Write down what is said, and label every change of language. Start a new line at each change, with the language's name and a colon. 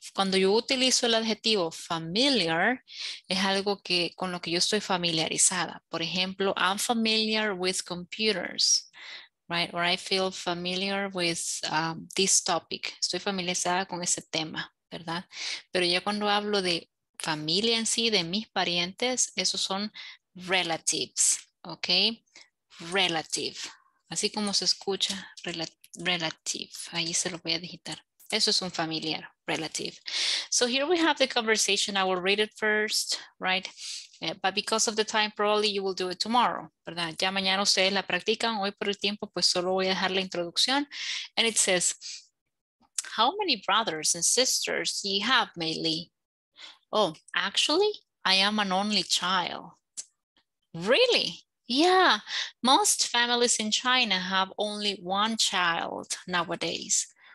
Spanish: Cuando yo utilizo el adjetivo familiar, es algo que con lo que yo estoy familiarizada. Por ejemplo,
English: I'm familiar with computers. Right, or I feel familiar with this topic.
Spanish: Estoy familiarizada con ese tema, ¿verdad? Pero ya cuando hablo de familia en sí, de mis parientes, esos son relatives, ¿ok? Relative, así como se escucha, relative. Ahí se lo voy a digitar. Eso es un familiar, relative.
English: So here we have the conversation. I will read it first, right? But because of the time, probably you will do it tomorrow,
Spanish: ¿verdad? Ya mañana ustedes la practican, hoy por el tiempo, pues solo voy a dejar la introducción.
English: And it says, how many brothers and sisters do you have, Mei Li? Oh, actually, I am an only child. Really? Yeah, most families in China have only one child nowadays.